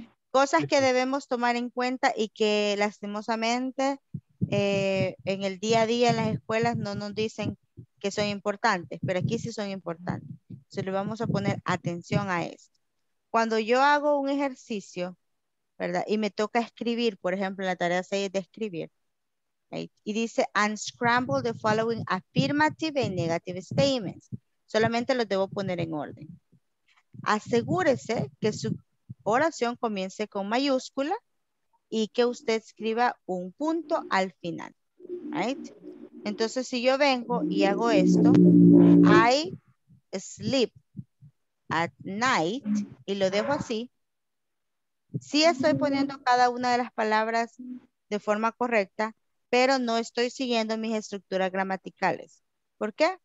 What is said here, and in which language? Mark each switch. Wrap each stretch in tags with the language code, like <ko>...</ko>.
<es>Cosas que debemos tomar en cuenta y que lastimosamente en el día a día en las escuelas no nos dicen que son importantes, pero aquí sí son importantes. Se le vamos a poner atención a esto. Cuando yo hago un ejercicio, ¿verdad? Y me toca escribir, por ejemplo, la tarea 6 de escribir,</es> <en>¿right?</en> <es>Y dice</es> <en>unscramble the following affirmative and negative statements.</en> <es>Solamente los debo poner en orden. Asegúrese que su oración comience con mayúscula y que usted escriba un punto al final,</es> <en>right?</en> <es>Entonces, si yo vengo y hago esto,</es> <en>I sleep at night,</en> <es>y lo dejo así, sí estoy poniendo cada una de las palabras de forma correcta, pero no estoy siguiendo mis estructuras gramaticales. ¿Por qué?</es>